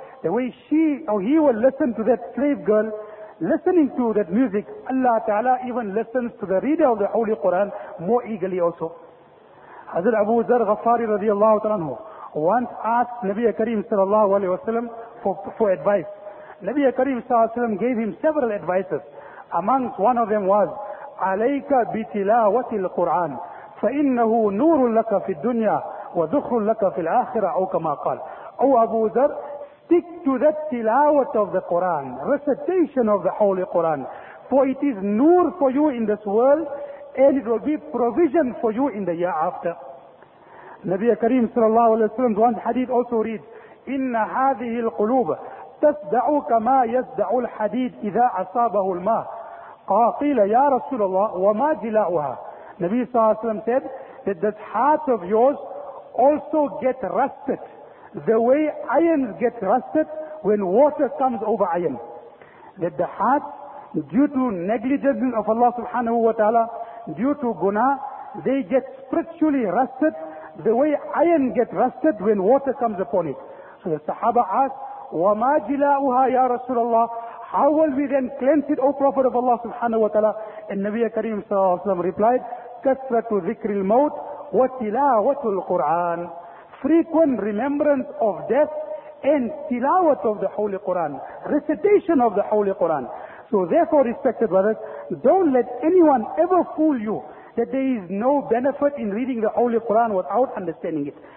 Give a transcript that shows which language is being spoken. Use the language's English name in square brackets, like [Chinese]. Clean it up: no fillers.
[English] The way she or he will listen to that slave girl listening to that music, Allah Ta'ala even listens to the reader of the Holy Quran more eagerly also. Hazrat Abu Zar Ghaffari radiallahu ta'ala once asked Nabi Kareem sallallahu alayhi wa sallam for advice. Nabi Karim sallallahu alaihi wasallam gave him several advices. Amongst one of them was, [Arabic] عَلَيْكَ بِتِلَاوَةِ الْقُرْآنِ فَإِنَّهُ نُورٌ لَكَ فِي الدُّنْيَا وَذُخْرٌ لَكَ فِي الْآخِرَةِ أَوْ كَمَا قَالَ. [English] Oh Abu Dhar, stick to that tilawat of the Quran, recitation of the Holy Quran, for it is nur for you in this world, and it will be provision for you in the year after. Nabi Karim sallallahu alaihi wasallam, one hadith also reads, [Arabic] إن هذه القلوب تصدع كما يصدع الحديد إذا أصابه الماء. قيل يا رسول الله وما جلاؤها. نبي صلى الله عليه وسلم [English] said that this heart of yours also get rusted the way irons get rusted when water comes over iron. That the heart, due to negligence of Allah subhanahu wa ta'ala, due to guna, they get spiritually rusted the way iron get rusted when water comes upon it. So the Sahaba asked, [Arabic] وَمَا جِلَاؤُهَا يَا رَسُولَ اللَّهِ. [English] How will we then cleanse it, O Prophet of Allah subhanahu wa ta'ala? And Nabiya Kareem sallallahu alayhi wa sallam replied, [Arabic] كَثْرَةُ ذِكْرِ الْمَوْتِ وَتِلَاوَةُ الْقُرْآنِ. [English] Frequent remembrance of death and tilawat of the Holy Quran, recitation of the Holy Quran. So therefore, respected brothers, don't let anyone ever fool you that there is no benefit in reading the Holy Quran without understanding it.